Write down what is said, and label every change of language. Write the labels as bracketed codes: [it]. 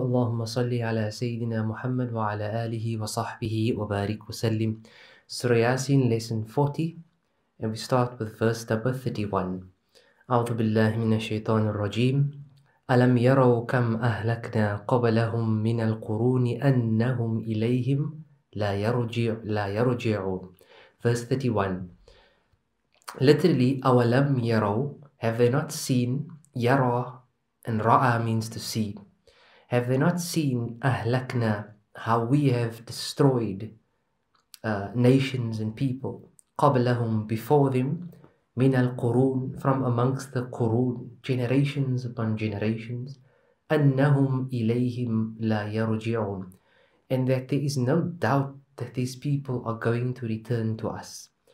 [ar] اللهم صل على سيدنا محمد وعلى آله وصحبه وبارك وسلم. [en] سورة ياسين lesson 40 and we start with verse number 31. [ar] أعوذ بالله من الشيطان الرجيم. ألم يروا كم أهلكنا قبلهم من القرون أنهم إليهم لا يرجعون. [en] Verse 31. Literally, [ar] أولم يروا, [en] have they not seen, يرى, and ra'a means to see. Have they not seen ahlakna, how we have destroyed nations and people, qablahum, before them, [ar] min al-qurun, [en] from amongst the qurun, generations upon generations, [ar] annahum ilayhim la yarji'un, [en] and that there is no doubt that these people are going to return to us.